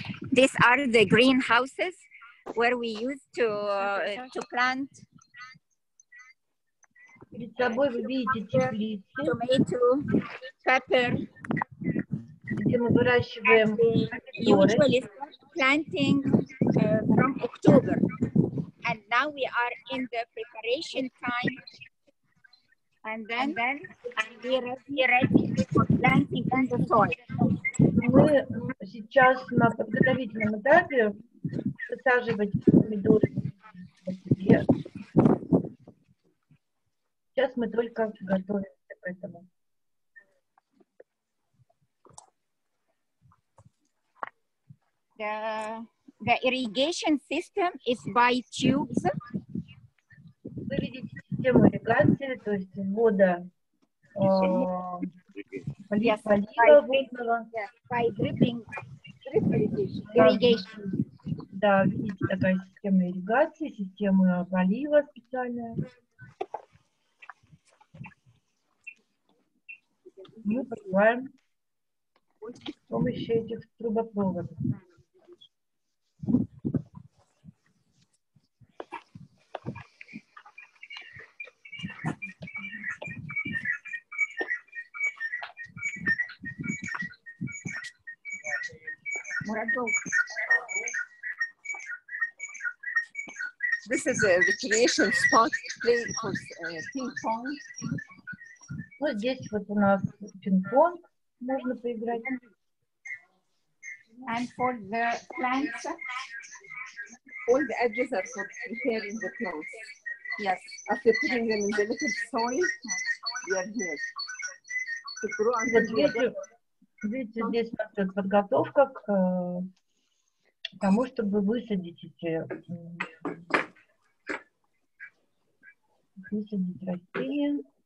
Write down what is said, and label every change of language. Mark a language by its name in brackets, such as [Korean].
[English] These are the greenhouses where we used to plant. [Russian] Перед собой вы видите теплицы. [English] Tomato, pepper. [Russian] где мы выращиваем помидоры. [English] And then, the irrigation system is by tubes. [Russian] Система ирригации, то есть ввода полива. Да, видите, такая система ирригации, система полива специальная. Мы поливаем с помощью этих трубопроводов. [English] This is a recreation spot play for ping pong. [Russian] Ну, здесь вот у нас пинг-понг можно поиграть. [English] And for the plants, all the edges are for preparing the clothes. Yes, after putting them in the little soil, they are here. To grow under the water. [Russian] Видите, здесь у нас подготовка к тому, чтобы высадить эти высадить растения.